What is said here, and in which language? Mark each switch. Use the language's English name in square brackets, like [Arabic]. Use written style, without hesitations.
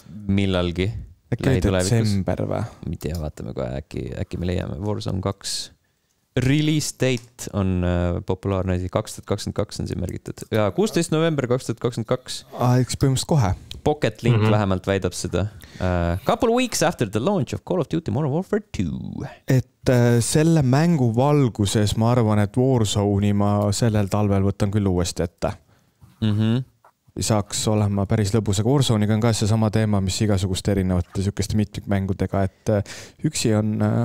[Estonian] Millalgi. Äkki detsember või? Mitte ja vaatame kohe, äkki me leiame. Warzone 2... [English] Release date [Estonian] on populaarne 2022 on siin märgitud. Ja 16 november 2022. Eks põhimõtteliselt kohe. Pocket Link vähemalt väidab seda. [English] Couple weeks after the launch of Call of Duty Modern Warfare 2. [Estonian] Et selle mängu valguses ma arvan, et Warzone ma sellel talvel võtan küll uuesti ette. Mhm. Saaks olema päris lõbus, aga Warzone'iga on ka see sama teema, mis igasugust erinevate sellest mitmikmängudega, et üksi on...